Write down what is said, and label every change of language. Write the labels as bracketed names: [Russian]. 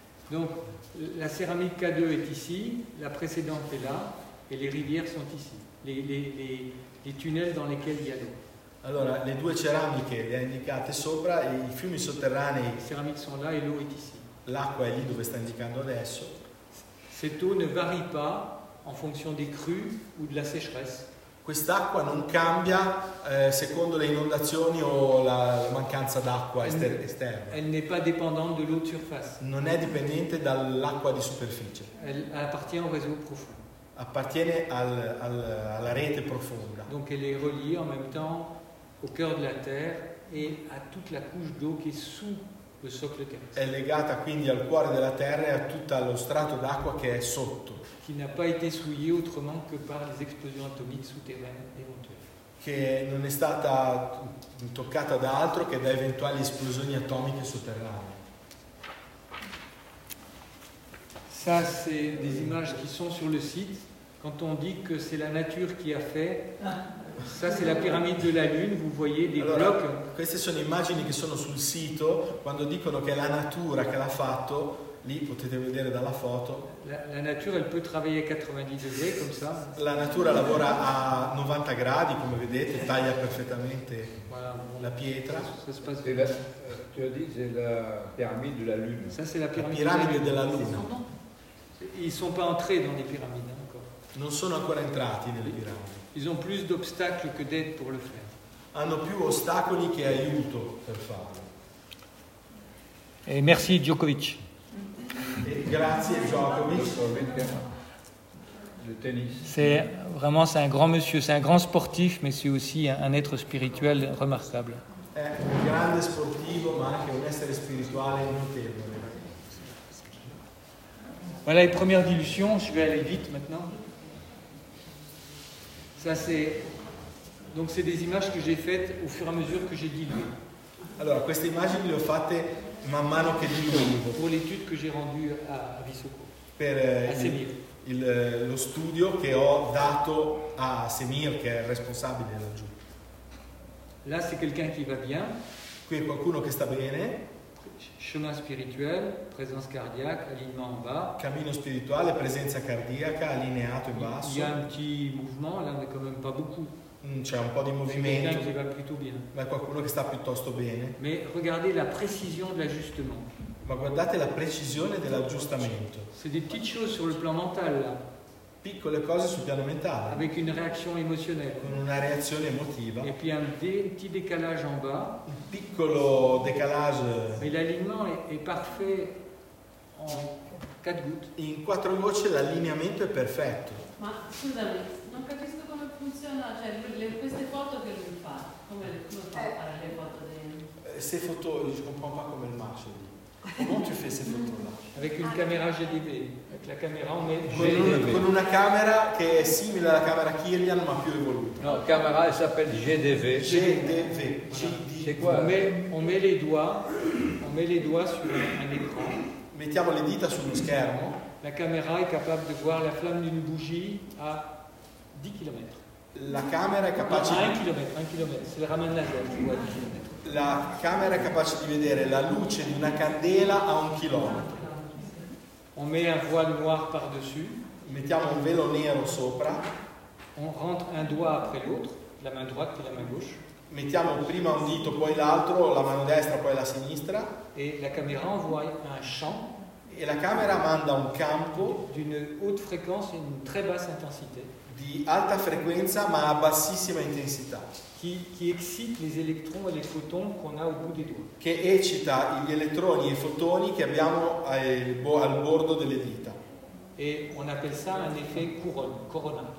[French] Donc la céramique K2 est ici, la précédente est là et les rivières sont ici. Les tunnels dans lesquels il y a l'eau. [Italian] Allora, le due ceramiche le ha indicate sopra, i fiumi sotterranei. [French] Ceramiche sont là et l'eau est ici. [Italian] L'acqua è lì dove sta indicando adesso. [French] Cette eau ne varie pas en fonction des crues ou de la sécheresse. [Italian] Quest'acqua non cambia secondo le inondazioni o la mancanza d'acqua esterna. [French] Elle n'est pas dépendante de l'eau de surface. [Italian] Non è dipendente dall'acqua di superficie. [French] Elle appartient au réseau profond. [Italian] Appartiene alla rete profonda. [French] Donc elle est reliée en même temps au cœur de la terre et à toute la couche d'eau qui est sous le socle terrestre. [Italian] È legata quindi al cuore della terra e a tutto lo strato d'acqua che è sotto. [French] Qui n'a pas été souillée autrement que par les explosions atomiques souterraines éventuelles. [Italian] Che non è stata toccata da altro che da eventuali esplosioni atomiche sotterranee. [French] Ça, c'est des images qui sont sur le site. Quand on dit que c'est la nature qui a fait, ça, c'est la pyramide de la Lune. Vous voyez des [Italian] allora, [French] blocs. [Italian] Queste sono immagini che sono sul sito. Quando dicono che è la natura che l'ha fatto, lì potete vedere dalla foto. [French] La nature, elle peut travailler 90 degrés, comme ça. [Italian] La natura lavora a 90 gradi, come vedete, taglia perfettamente voilà, la pietra. [French] Tu as dit, c'est la pyramide de la Lune. Ça, c'est la pyramide de la Lune. Ils ne sont pas entrés dans les pyramides encore. [Italian] Non sono ancora entrati nelle piramidi. [French] Ils ont plus d'obstacles que d'aide pour le faire. [Italian] Hanno più ostacoli che aiuto per farlo. [French] Et merci Djokovic. [Italian] Grazie Djokovic. [French] Le tennis. C'est un grand monsieur, c'est un grand sportif, mais c'est aussi un être spirituel remarquable. [Italian] È un grande sportivo, ma anche un essere spirituale notevole. [French] Voilà les premières dilutions, je vais aller vite maintenant. Donc c'est des images que j'ai faites au fur et à mesure que j'ai dilué. [Italian] Alors, queste immagini le ho fatte man mano che diluivo. [French] Pour l'étude que j'ai rendue à Visoko. [Italian] Per lo studio che ho dato a Semir, che è il responsabile laggiù. [French] Là, c'est quelqu'un qui va bien. [Italian] Qui è qualcuno che sta bene. [French] Chemin spirituel, présence cardiaque, alignement en bas. [Italian] Cammino spirituale, presenza cardiaca, allineato in basso. [French] Il y a un petit mouvement, là on n'est quand même pas beaucoup. [Italian] C'è un po' di movimento. [French] Quelqu'un qui va plutôt bien. [Italian] Ma qualcuno che sta piuttosto bene. [French] Mais regardez la précision de l'ajustement. [Italian] Ma guardate la precisione dell'aggiustamento. [French] C'est des petites choses sur le plan mental, là. [Italian] Piccole cose sul piano mentale. [French] Avec une réaction émotionnelle. [Italian] Con una reazione emotiva. [French] Et puis un petit décalage en bas. [Italian] Un piccolo décalage. [French] Mais l'alignement est parfait en 4 gouttes. [Italian] In 4 gocce l'allineamento è perfetto. Ma scusami, non capisco come funziona, cioè queste foto che lui fa, come fa a fare le foto dei... Se foto, io comprendo pas come il marcio lì. [French] Comment tu fais ces photos-là? Avec une caméra GDV. Avec la caméra, on met [Italian] con una camera che è simile alla camera Kirlian ma più evoluta. [French] No, camera elle s'appelle GDV. GDV. C'est quoi? On met les doigts sur un écran. [Italian] Mettiamo le dita sullo schermo. [French] La caméra est capable de voir la flamme d'une bougie à 10 km. [Italian] La camera è capace. [French] Ah, 1 km, c'est le Raman laser qui voit 10 km. [Italian] La camera è capace di vedere la luce di una candela a 1 km. [French] On met un voile noir par-dessus. [Italian] Mettiamo un velo nero sopra. [French] On rentre un doigt après l'autre, la main droite puis la main gauche. [Italian] Mettiamo prima un dito, poi l'altro, la mano destra, poi la sinistra. [French] Et la caméra envoie un champ. [Italian] E la camera manda un campo. [French] D'une haute fréquence et une très basse intensité. [Italian] Di alta frequenza ma a bassissima intensità. [French] Qui excite les électrons et les photons qu'on a au bout des doigts. [Italian] Che eccita gli elettroni e i fotoni che abbiamo al bordo delle dita. [French] Et on appelle ça un effet corona.